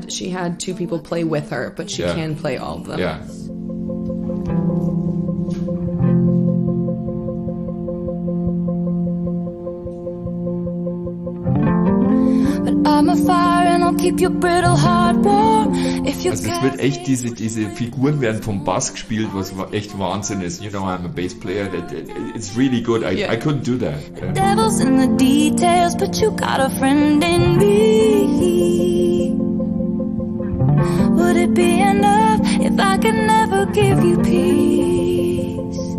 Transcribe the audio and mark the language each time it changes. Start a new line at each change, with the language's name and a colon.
English: She had two people play with her, but she can play all of them. Yeah. I'm a fire and I'll keep your brittle heart warm. If you
German: also, es wird echt diese Figuren werden vom Bass gespielt, was echt Wahnsinn ist.
English: You know, I'm a bass player. It's really good. I couldn't do that. The devil's in the details, but you got a friend in me. Would it be enough if I could never give you peace?